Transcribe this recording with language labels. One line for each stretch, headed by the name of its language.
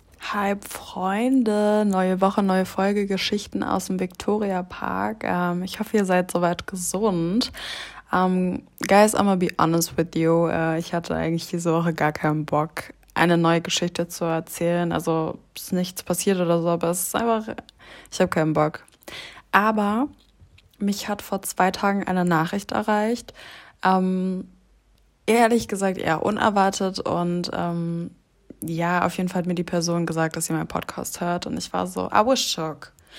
German: Halb Freunde, neue Woche, neue Folge, Geschichten aus dem Victoria Park. Ich hoffe, ihr seid soweit gesund.
English: Guys, I'm gonna be honest with you.
German: Ich hatte eigentlich diese Woche gar keinen Bock, eine neue Geschichte zu erzählen. Also, ist nichts passiert oder so, aber es ist einfach, ich habe keinen Bock. Aber mich hat vor 2 Tagen eine Nachricht erreicht. Ehrlich gesagt eher unerwartet und ja, auf jeden Fall hat mir die Person gesagt, dass sie meinen Podcast hört und ich war so,
English: I was shook.